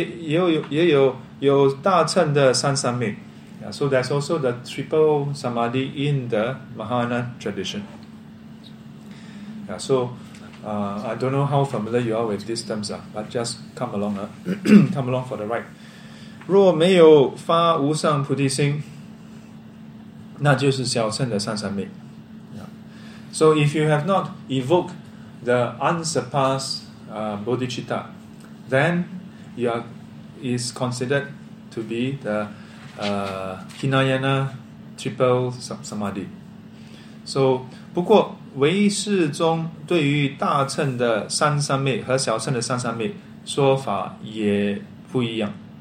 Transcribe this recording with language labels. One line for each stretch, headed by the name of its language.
Chinese: 也有大乘的三三昧.
English: Yeah, so there's also the triple samadhi in the Mahayana tradition. Yeah, so I don't know how familiar you are with these terms, but just come along, come along for the ride.
Chinese: 若没有发无上菩提心, 那就是小乘的三三昧.
English: So if you have not evoked the unsurpassed bodhicitta, then you are is considered to be the Hinayana triple samadhi.
Chinese: So 不过唯识中对于大乘的三三昧和小乘的三三昧说法也不一样.